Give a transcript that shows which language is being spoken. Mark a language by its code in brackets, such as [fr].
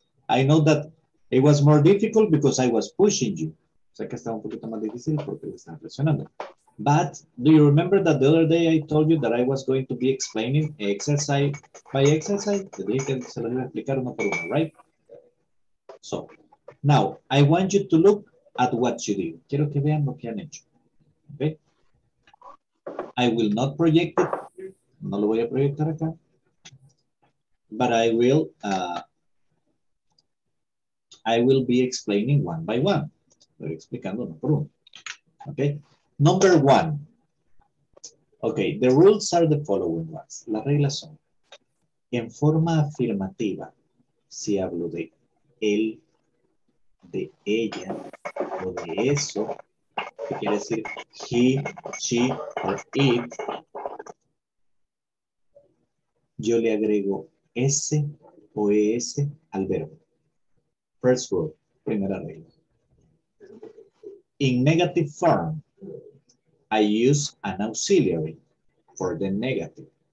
[en] I know that it was more difficult because I was pushing you. [es] O sea que estaba un poquito más difícil porque le están presionando. But do you remember that the other day I told you that I was going to be explaining exercise by exercise? Te dije que se lo iba a explicar uno por uno, [en] right? So, now I want you to look at what you did. [es] Quiero que vean lo que han hecho. Okay? [en] I will not project it. [es] No lo voy a proyectar acá. [en] But I will be explaining one by one. [es] Estoy explicando uno por uno. Okay? [en] Number one. Okay, the rules are the following ones. [es] Las reglas son: en forma afirmativa, si hablo de él, de ella o de eso, que quiere decir [en] he, she, or it, [es] yo le agrego S o ES al verbo. [en] First rule, [es] primera regla. [en] In negative form, I use an auxiliary for the negative.